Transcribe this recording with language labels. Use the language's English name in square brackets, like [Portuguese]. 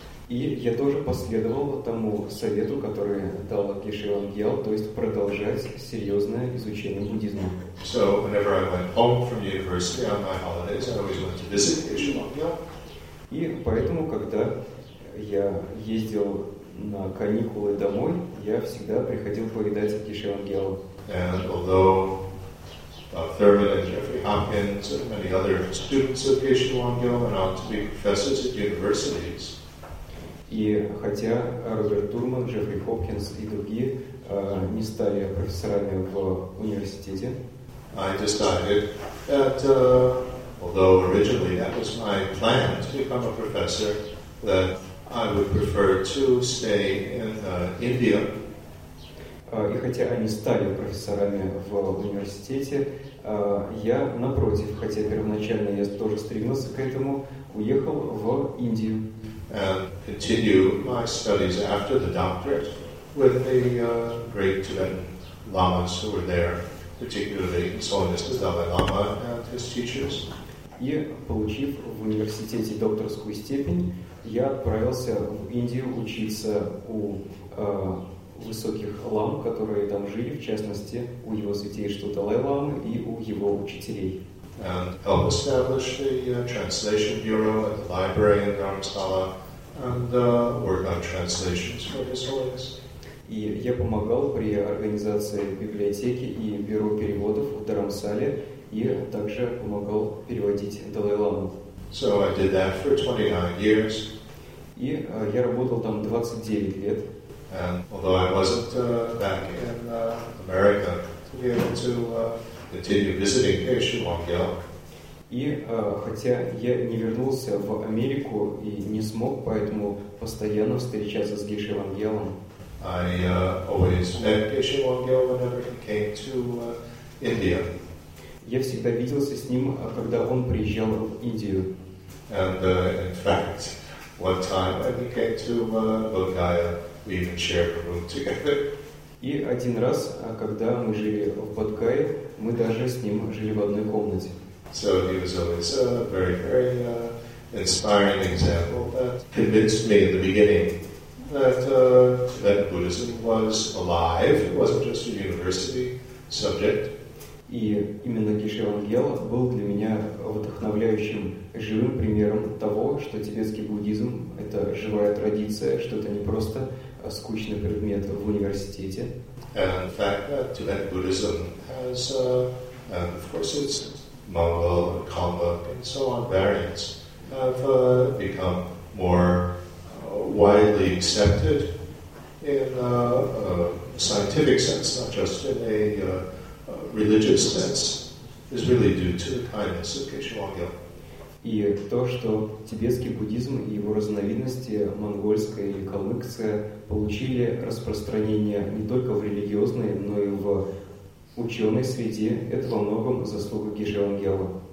[Russian] И я тоже последовал тому совету, который дал Геше Вангьял, то есть продолжать серьезное изучение буддизма. [English] So whenever I went home from university on my holidays, I always went to visit Geshe Wangyal. [Russian] И поэтому, когда я ездил на каникулы домой, я всегда приходил повидать Геше Вангьяла. [English] And although Thurman and Jeffrey Hopkins and many other students of Geshe Wangyal went on to be professors at universities, [Russian] и хотя Роберт Турман, Джеффри Хопкинс и другие не стали профессорами в университете, [English] I decided that, although originally that was my plan to become a professor, that I would prefer to stay in India. [Russian] И хотя они стали профессорами в университете, я, напротив, хотя первоначально я тоже стремился к этому, уехал в Индию. [English] And continue my studies after the doctorate with the great Tibetan lamas who were there, particularly his holiness the Dalai Lama and his teachers. [Russian] И получив в университете докторскую степень, я отправился в Индию учиться у высоких лам, которые там жили, в частности у его святейшего Далай Ламы и у его учителей. [English] And help establish the translation bureau at the library in Dharamsala. And work on translations for his holiness. [Russian] И я помогал при организации библиотеки и бюро переводов в Дарамсале, и также помогал переводить Далай-ламу. [English] So I did that for 29 years. [Russian] И я работал там 29 лет. [English] And although I wasn't back in America to be able to continue visiting Geshe Wangyal. [Russian] И хотя я не вернулся в Америку и не смог поэтому постоянно встречаться с Геше Вангьялом, [English] I always met Geshe Wangyal whenever he came to India. [Russian] Я всегда виделся с ним, когда он приезжал в Индию. [English] And in fact, one time when he came to Bodhgaya, we even shared a room together. [Russian] И один раз, когда мы жили в Бодхгае, мы даже с ним жили в одной комнате. [English] So he was always a very, very inspiring example that convinced me in the beginning that that Buddhism was alive. It wasn't just a university subject. [Russian] И именно Геше Вангьял был для меня вдохновляющим живым примером того, что тибетский буддизм — это живая традиция, что это не просто скучный предмет в университете. [English] And in fact, Tibetan Buddhism has, and of course it's Mongol, Kalmuk, and so on, variants have become more widely accepted in a scientific sense, not just in a religious sense, is really due to the kindness of Geshe Wangyal. [Russian] И то, что тибетский буддизм и его разновидности, монгольская и калмыкская, получили распространение не только в религиозной, но и в ученой среде, это во многом заслуга Геши Вангела.